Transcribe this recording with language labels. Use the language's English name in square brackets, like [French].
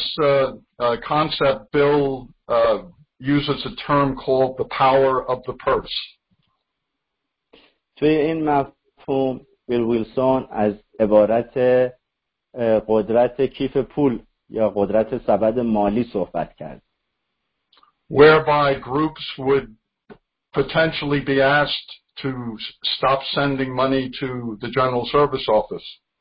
[English] In this concept, Bill uses a term called the power of the purse. [Persian] توی این مفهوم بیل ویلسون از عبارت قدرت کیف پول یا قدرت سبد مالی صحبت کرد. [English] Whereby groups would potentially be asked to stop sending money to the General Service Office.